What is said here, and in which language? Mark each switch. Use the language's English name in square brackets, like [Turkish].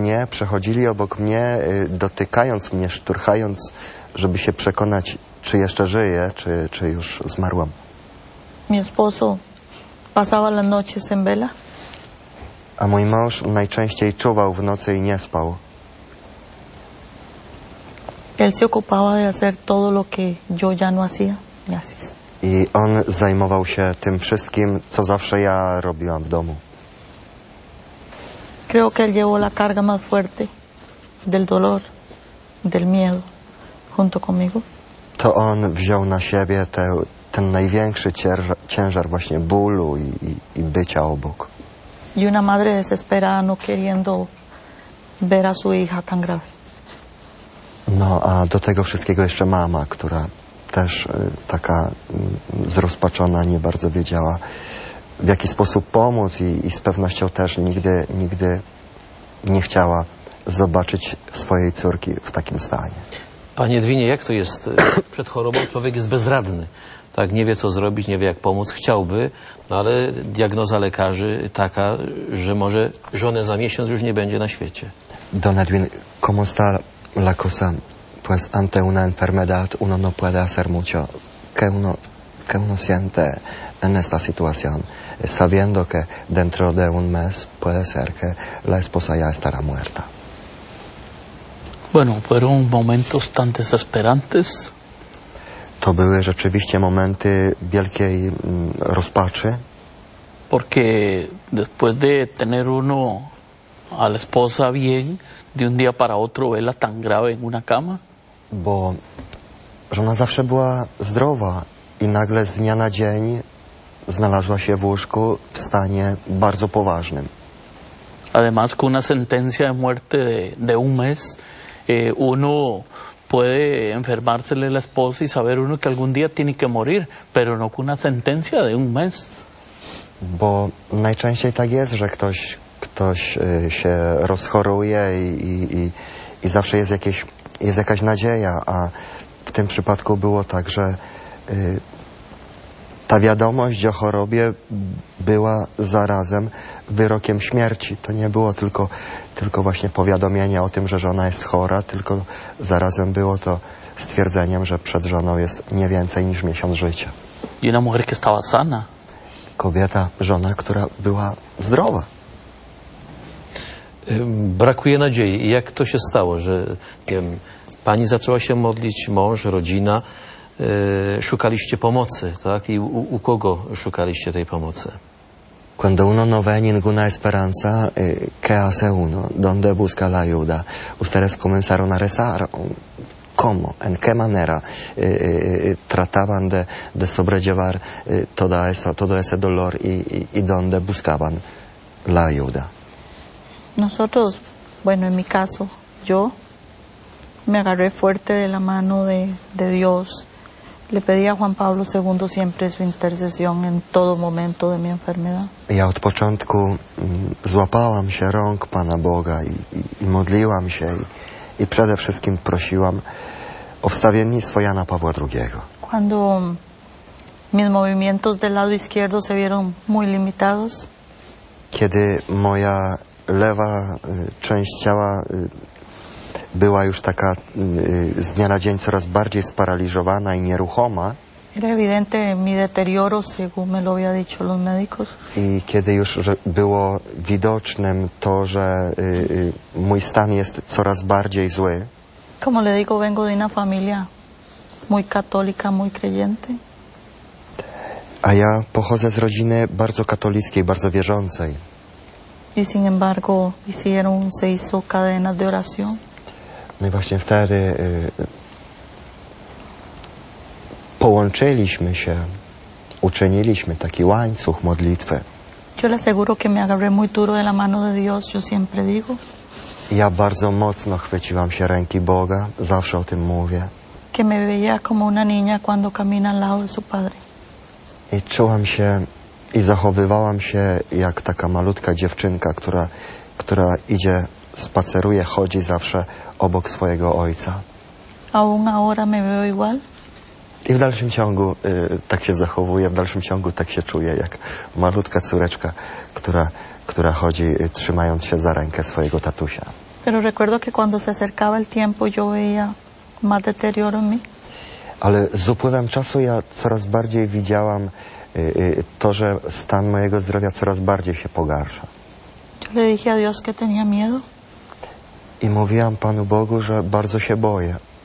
[Polish] Przechodzili obok mnie, dotykając mnie, szturchając, żeby się przekonać, czy jeszcze żyję, czy już zmarłam. [Spanish] Mi esposo pasaba las noches en vela. [Polish] A mój mąż najczęściej czuwał w nocy i nie spał. [Spanish] Él se ocupaba de hacer todo lo que yo ya no hacía. Gracias. [Polish] I on zajmował się tym wszystkim, co zawsze ja robiłam w domu. [Spanish] Creo que él llevó la carga más fuerte del dolor, del miedo, junto conmigo. [Polish] To on wziął na siebie ten największy ciężar właśnie bólu i bycia obok. [Spanish] Y una madre desesperada no queriendo ver a su hija tan grave. [Polish] No, a do tego wszystkiego jeszcze mama, która też taka zrozpaczona, nie bardzo wiedziała, w jaki sposób pomóc i z pewnością też nigdy nie chciała zobaczyć swojej córki w takim stanie. Panie Edwinie, jak to jest? Przed chorobą człowiek jest bezradny. Tak, nie wie, co zrobić, nie wie, jak pomóc. Chciałby, no ale diagnoza lekarzy taka, że może żonę za miesiąc już nie będzie na świecie. [Spanish] Don Edwin, ¿cómo está la cosa? Pues ante una enfermedad uno no puede hacer mucho. ¿Qué uno siente en esta situación? Sabiendo que dentro de un mes puede ser que la esposa ya estará muerta. Bueno, fueron momentos tan desesperantes. [Polish] To były rzeczywiście momenty wielkiej rozpaczy. [Spanish] Porque después de tener uno a la esposa bien, de un día para otro verla tan grave en una cama. [Polish] Bo żona zawsze była zdrowa i nagle z dnia na dzień znalazła się w łóżku w stanie bardzo poważnym. [Spanish] Además con una sentencia de muerte de un mes, uno puede enfermarse la esposa y saber uno que algún día tiene que morir, pero no con una sentencia de un mes. [Polish] Bo najczęściej tak jest, że ktoś się rozchoruje i i zawsze jest jakieś, jest jakaś nadzieja, a w tym przypadku było tak, że ta wiadomość o chorobie była zarazem wyrokiem śmierci. To nie było tylko właśnie powiadomienie o tym, że żona jest chora, tylko zarazem było to stwierdzeniem, że przed żoną jest nie więcej niż miesiąc życia. [Spanish] Y una mujer que estaba sana. [Polish] Kobieta, żona, która była zdrowa. Brakuje nadziei. Jak to się stało, że pani zaczęła się modlić, mąż, rodzina, szukaliście pomocy, tak? I u kogo szukaliście tej pomocy? [Spanish] Cuando uno no ve ninguna esperanza, ¿qué hace uno? ¿Dónde busca la ayuda? Ustedes comenzaron a rezar. ¿Cómo? ¿En qué manera trataban de sobrellevar todo ese dolor y dónde buscaban la ayuda? Nosotros, bueno, en mi caso, yo me agarré fuerte de la mano de Dios. Le pedí a Juan Pablo II siempre su intercesión en todo momento de mi enfermedad. [Polish] Ja od początku złapałam się rąk Pana Boga i modliłam się i przede wszystkim prosiłam o wstawiennictwo Jana Pawła II. [Spanish] Cuando mis movimientos del lado izquierdo se vieron muy limitados. [Polish] Kiedy moja lewa część ciała była już taka z dnia na dzień coraz bardziej sparaliżowana i nieruchoma. [Spanish] Era evidente mi deterioro, según me lo había dicho los médicos. [Polish] I kiedy już było widocznym to, że mój stan jest coraz bardziej zły. [Spanish] Como le digo, vengo de una familia muy católica, muy creyente. [Polish] A ja pochodzę z rodziny bardzo katolickiej, bardzo wierzącej. [Spanish] Y sin embargo, se hizo cadenas de oración. [Polish] My właśnie wtedy połączyliśmy się, uczyniliśmy taki łańcuch modlitwy. [Spanish] Yo le aseguro que me agarré muy duro de la mano de Dios, yo siempre digo. [Polish] Ja bardzo mocno chwyciłam się ręki Boga, zawsze o tym mówię. [Spanish] Que me veía como una niña cuando camina al lado de su padre. [Polish] I czułam się i zachowywałam się jak taka malutka dziewczynka, która idzie, spaceruje, chodzi zawsze obok swojego ojca. [Spanish] Aún ahora me veo igual. [Polish] I w dalszym ciągu tak się zachowuję, w dalszym ciągu tak się czuję, jak malutka córeczka, która chodzi trzymając się za rękę swojego tatusia. [Spanish] Pero recuerdo que cuando se acercaba el tiempo yo veía más deterioro en mí. [Polish] Ale z upływem czasu ja coraz bardziej widziałam to, że stan mojego zdrowia coraz bardziej się pogarsza. [Spanish] Yo le dije a Dios que tenía miedo. [Polish] I mówiłam Panu Bogu, że bardzo się boję.